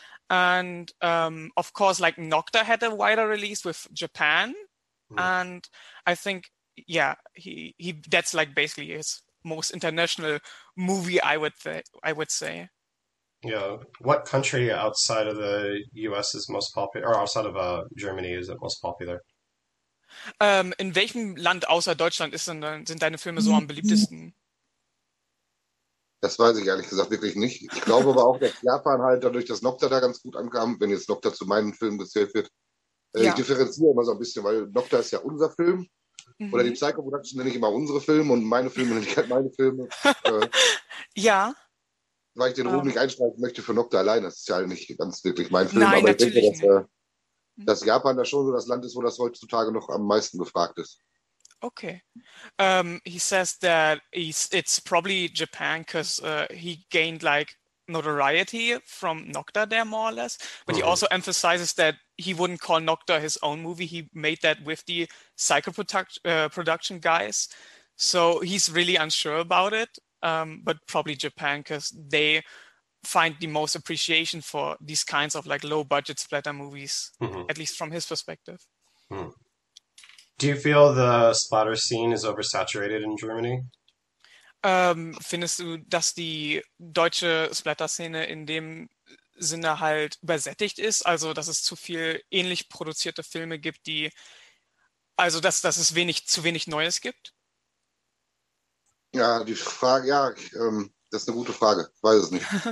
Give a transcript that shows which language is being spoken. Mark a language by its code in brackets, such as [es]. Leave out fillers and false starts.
[en] And of course, like Nocta had a wider release with Japan. And I think, yeah, he that's like basically his most international movie, I would say. Yeah. What country outside of the US is most popular, or outside of Germany is it most popular? [de] In welchem Land außer Deutschland ist denn, sind deine Filme so am beliebtesten? Das weiß ich ehrlich gesagt wirklich nicht. Ich glaube aber auch, dass Japan halt dadurch, dass Nocta da ganz gut ankam, wenn jetzt Nocta zu meinen Filmen gezählt wird. Ich Ja. differenziere immer so ein bisschen, weil Nocta ist ja unser Film. Oder die Psycho Production nenne ich immer unsere Filme und meine Filme nenne ich halt meine Filme. Ja. Weil ich den Ruhm nicht einschränken möchte für Nocta allein. Das ist ja halt nicht ganz wirklich mein Film. Nein, Aber ich denke, natürlich dass, nicht. dass Japan da schon so das Land ist, wo das heutzutage noch am meisten gefragt ist. Okay. [en] He says that it's probably Japan because he gained like notoriety from Nocta there more or less. But he also emphasizes that he wouldn't call Nocta his own movie. He made that with the Psycho production guys. So he's really unsure about it. But probably Japan because they find the most appreciation for these kinds of like low budget splatter movies, at least from his perspective. Do you feel the splatter scene is oversaturated in Germany? [de] Findest du, dass die deutsche Splatter-Szene in dem Sinne halt übersättigt ist? Also, dass es zu viel ähnlich produzierte Filme gibt, die, also, dass es wenig, zu wenig Neues gibt? Ja, die Frage, ja, das ist eine gute Frage. Ich weiß es nicht.